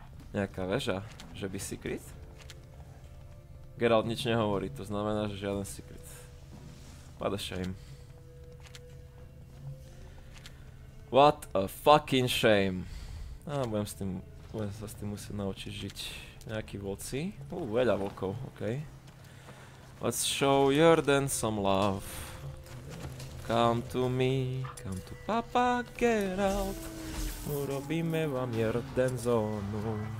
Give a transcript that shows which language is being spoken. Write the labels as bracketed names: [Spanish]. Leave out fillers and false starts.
[Slovak] Nejaká väža? Že by secret? Geralt nič nehovorí, to znamená, že žiaden secret. Pada shame. [English] What a fucking shame. [Slovak] A budem sa s tým musieť naučiť žiť. Nejakí vlci. Veľa vlkov, okej. Okay. [English] Let's show Jordan some love. Come to me, come to Papa Geralt. [Slovak] Urobíme vám Jordan zónu.